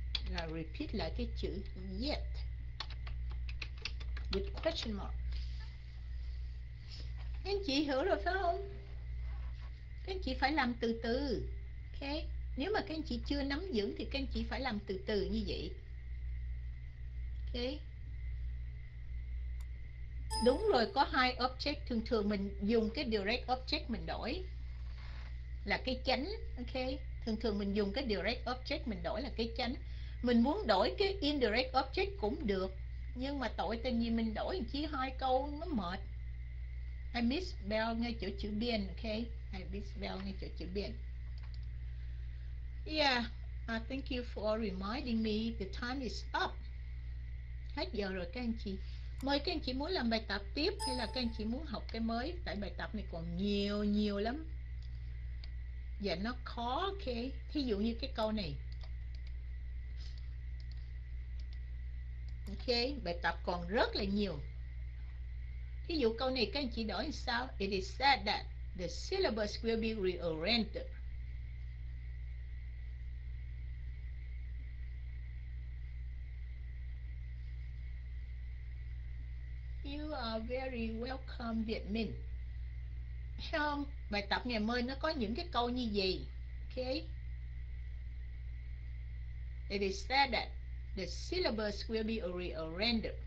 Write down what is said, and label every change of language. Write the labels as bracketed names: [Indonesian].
[English] Now repeat like a chữ yet with question mark. [Vietnamese] Anh chị hiểu rồi phải không? Các anh chị phải làm từ từ. Ok. Nếu mà các anh chị chưa nắm vững thì các anh chị phải làm từ từ như vậy. Ok. Đúng rồi, có hai object. Thường thường mình dùng cái direct object mình đổi là cái chánh. Ok. Thường thường mình dùng cái direct object mình đổi là cái chánh. Mình muốn đổi cái indirect object cũng được. Nhưng mà tội tình gì mình đổi chỉ hai câu nó mệt. [English] I misspell [Vietnamese] ngay chỗ chữ biên, okay? [English] I misspell [Vietnamese] ngay chỗ chữ biên. [English] Yeah, thank you for reminding me the time is up. [Vietnamese] Hết giờ rồi các anh chị. Mời các anh chị muốn làm bài tập tiếp hay là các anh chị muốn học cái mới? Tại bài tập này còn nhiều, nhiều lắm. Và nó khó, okay? Thí dụ như cái câu này. Okay, bài tập còn rất là nhiều. Ví dụ câu này các anh chị đổi sao? [English] It is said that the syllabus will be rearranged. You are very welcome, Việt Minh. [Vietnamese] Thấy không? Bài tập ngày mai nó có những cái câu như vậy. [English] Okay. It is said that the syllabus will be rearranged.